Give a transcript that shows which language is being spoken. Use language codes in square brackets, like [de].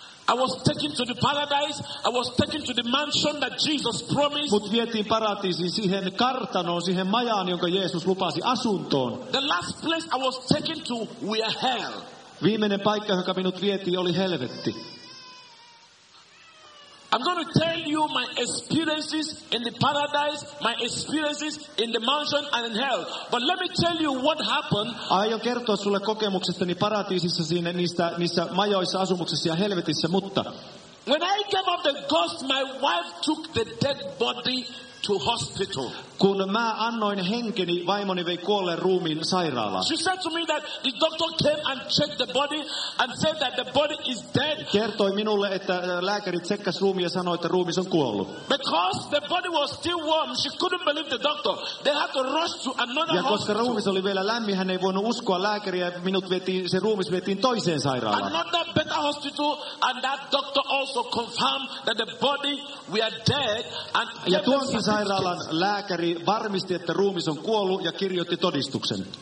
[en] I was taken to the paradise, I was taken to the mansion that Jesus promised. [fi] Mut vietiin paratiisiin, siihen kartanoon, siihen majaan, jonka Jeesus lupasi, asuntoon. [en] The last place I was taken to, we are hell. [fi] Viimeinen paikka, joka minut vietiin, oli helvetti. [en] I'm going to tell you my experiences in the paradise, my experiences in the mansion and in hell. But let me tell you what happened. [fi] Aion kertoa sulle kokemuksestani paratiisissa siinä niissä majoissa, asumuksessa ja helvetissä, mutta [en] when I came up the ghost, my wife took the dead body to hospital. [fi] Kun mä annoin henkeni, vaimoni vei kuolleen ruumiin sairaalaan. [en] She said to me that the doctor came and checked the body and said that the body is dead. [fi] Kertoi minulle, että lääkäri tsekkasi ruumiin ja sanoi, että ruumis on kuollut. [en] Because the body was still warm, she couldn't believe the doctor. They had to rush to another hospital. [fi] Ja koska ruumis oli vielä lämmin, hän ei voinut uskoa lääkäriä, se ruumis vietiin toiseen sairaalaan. [en] Another better hospital, and that doctor also confirmed that the body we are dead. And [fi] ja tuonkin sairaalan lääkäri varmisti, että ruumis on kuollut ja kirjoitti todistuksen.